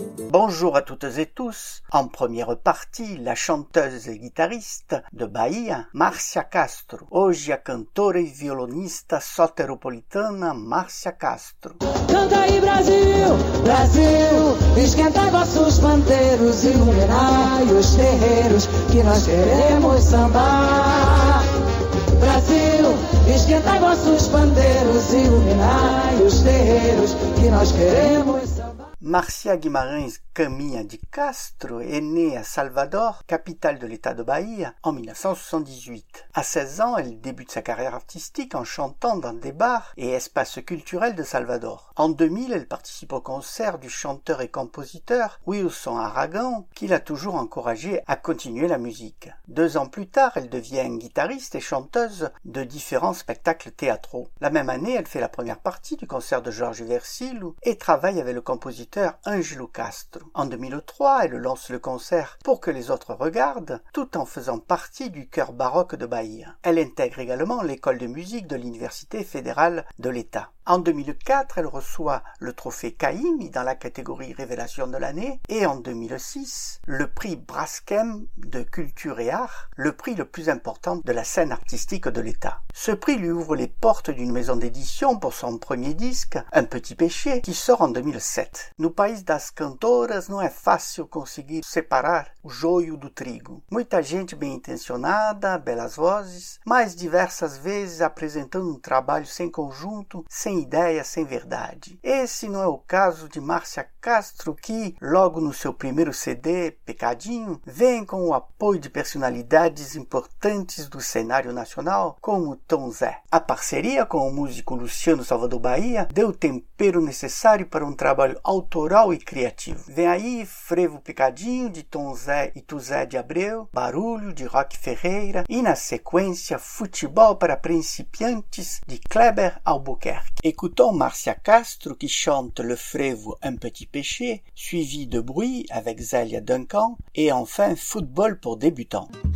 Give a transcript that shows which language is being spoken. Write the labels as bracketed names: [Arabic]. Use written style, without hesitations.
[French] Bonjour à toutes et tous. En première partie, la chanteuse et guitariste de Bahia, Márcia Castro. [Portuguese] Hoje, a cantora e violonista soteropolitana, Márcia Castro. Canta aí, Brasil, Brasil, esquenta vossos panteiros, iluminai os terreiros que nós queremos sambar. Brasil, esquenta vossos panteiros, iluminai os terreiros que nós queremos. [French] Márcia Guimarães Caminha de Castro est née à Salvador, capitale de l'état de Bahia, en 1978. À 16 ans, elle débute sa carrière artistique en chantant dans des bars et espaces culturels de Salvador. En 2000, elle participe au concert du chanteur et compositeur Wilson Aragão, qui l'a toujours encouragée à continuer la musique. Deux ans plus tard, elle devient guitariste et chanteuse de différents spectacles théâtraux. La même année, elle fait la première partie du concert de Jorge Versilo et travaille avec le compositeur Ângelo Castro. En 2003, elle lance le concert Pour que les autres regardent, tout en faisant partie du chœur baroque de Bahia. Elle intègre également l'école de musique de l'Université fédérale de l'État. En 2004, elle reçoit le trophée Caymmi dans la catégorie Révélation de l'année et en 2006, le prix Braskem de culture et art, le prix le plus important de la scène artistique de l'État. Ce prix lui ouvre les portes d'une maison d'édition pour son premier disque, Un petit péché, qui sort en 2007. [Portuguese] No país das cantoras, não é fácil conseguir separar o joio do trigo. Muita gente bem intencionada, belas vozes, mas diversas vezes apresentando trabalho sem conjunto, sem ideia, sem verdade. Esse não é o caso de Márcia Castro, que, logo no seu primeiro CD, Pecadinho, vem com o apoio de personalidades importantes do cenário nacional, como Tom Zé. A parceria com o músico Luciano Salvador Bahia deu o tempero necessário para um trabalho autoral e criativo. Vem aí Frevo Pecadinho, de Tom Zé e Tuzé de Abreu, Barulho, de Roque Ferreira, e na sequência Futebol para Principiantes, de Kleber Albuquerque. [French] Écoutons Márcia Castro qui chante le frevo Un petit péché, suivi de Bruit avec Zélia Duncan, et enfin Football pour débutants.